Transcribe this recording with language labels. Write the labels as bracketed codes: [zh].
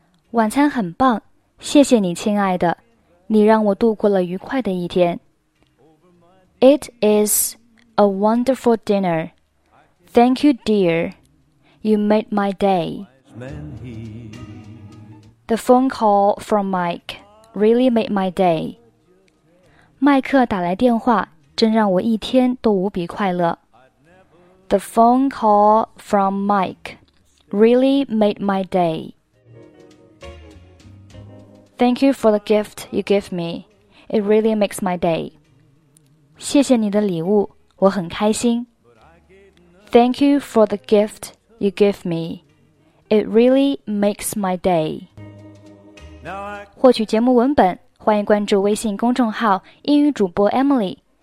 [zh] 晚餐很棒，谢谢你，亲爱的。你让我度过了愉快的一天。 [en] It is a wonderful dinner. Thank you, dear. You made my day. The phone call from Mike really made my day. [zh] 麦克打来电话，真让我一天都无比快乐。 [en] The phone call from Mike really made my day. Thank you for the gift you give me. It really makes my day. [zh] 谢谢你的礼物，我很开心。 [en] Thank you for the gift you give me. It really makes my day. [zh] 获取节目文本，欢迎关注微信公众号英语主播 Emily.